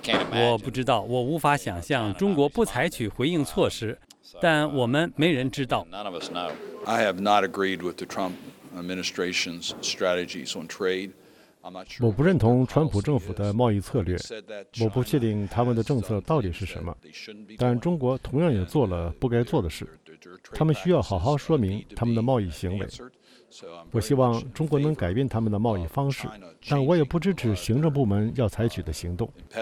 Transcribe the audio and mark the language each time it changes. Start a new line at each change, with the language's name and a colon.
Chinese: 我不知道，我无法想象中国不采取回应措施，但我们没人知道。
English: I have not agreed with the Trump administration's strategies on trade.
Chinese: 我不认同川普政府的贸易策略，我不确定他们的政策到底是什么，但中国同样也做了不该做的事，他们需要好好说明他们的贸易行为。我希望中国能改变他们的贸易方式，但我也不支持行政部门要采取的行动。